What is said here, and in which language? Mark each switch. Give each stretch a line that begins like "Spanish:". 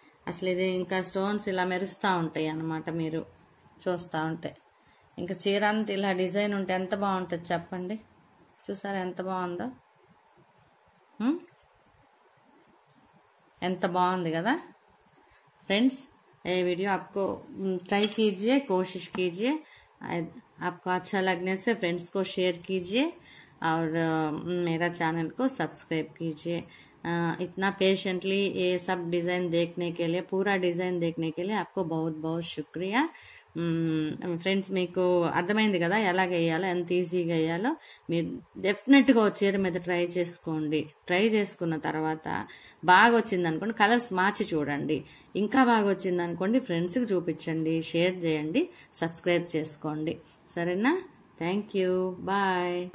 Telugu: అసలు ఇది ఇంకా స్టోన్స్ ఇలా మెరుస్తూ ఉంటాయి అన్నమాట, మీరు చూస్తూ ఉంటే ఇంకా చీర అంతా ఇలా డిజైన్ ఉంటే ఎంత బాగుంటుంది చెప్పండి, చూసారా ఎంత బాగుందో, ఎంత బాగుంది కదా ఫ్రెండ్స్.
Hindi: ఏ వీడియో ఆప్కో ట్రై కీజియే, కోషిష్ కీజియే, आपको अच्छा लगने से फ्रेंड्स को शेयर कीजिए और मेरा चैनल को सब्सक्राइब कीजिए. इतना पेशेंटली ये सब डिज़ाइन देखने के लिए, पूरा डिज़ाइन देखने के लिए आपको बहुत बहुत शुक्रिया ఫ్రెండ్స్.
Telugu: మీకు అర్థమైంది కదా ఎలా వేయాలో ఎంత ఈజీగా వేయాలో. మీరు డెఫినెట్ గా చీర మీద ట్రై చేసుకోండి, ట్రై చేసుకున్న తర్వాత బాగా వచ్చింది అనుకోండి కలర్స్ మార్చి చూడండి, ఇంకా బాగా వచ్చింది అనుకోండి ఫ్రెండ్స్ కి చూపించండి, షేర్ చేయండి, సబ్స్క్రైబ్ చేసుకోండి, సరేనా?
English: Thank you, bye.